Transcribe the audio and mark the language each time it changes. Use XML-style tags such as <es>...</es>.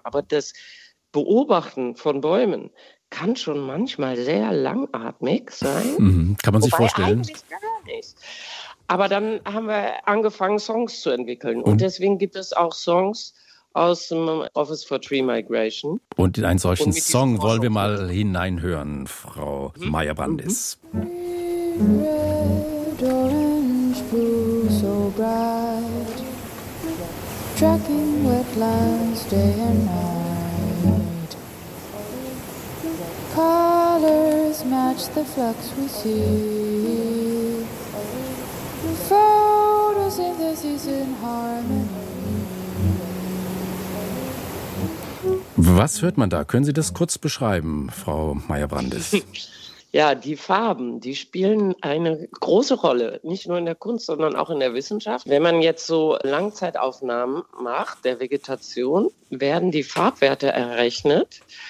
<de>Aber das Beobachten von Bäumen kann schon manchmal sehr langatmig sein. Kann man sich vorstellen. Aber dann haben wir angefangen, Songs zu entwickeln. Und deswegen gibt es auch Songs aus dem Office for Tree Migration. Und in einen solchen Song wollen wir mal hineinhören, Frau Meyer-Brandis.</de> <en>Red, orange, blue, so bright. Tracking wetlands day and night. Colors match the flux we see. Photos in the season harmony.</en> <de>Was hört man da? Können Sie das kurz beschreiben, Frau Meyer-Brandis? Ja, die Farben, die spielen eine große Rolle, nicht nur in der Kunst, sondern auch in der Wissenschaft. Wenn man jetzt so Langzeitaufnahmen macht der Vegetation, werden die Farbwerte errechnet.</de>